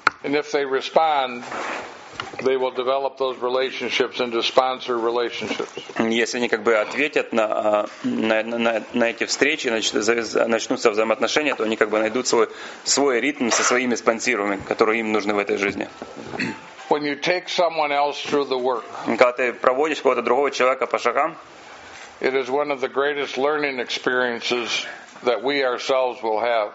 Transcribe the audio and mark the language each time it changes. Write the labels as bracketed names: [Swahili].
[English] And if they respond, they will develop those relationships into sponsor relationships. [Russian] Если они как бы ответят на эти встречи, начнутся взаимоотношения, то они как бы найдут свой ритм со своими спонсорами, которые им нужны в этой жизни. [English] When you take someone else through the work, [Russian] когда ты проводишь кого-то другого человека по шагам, [English] it is one of the greatest learning experiences that we ourselves will have.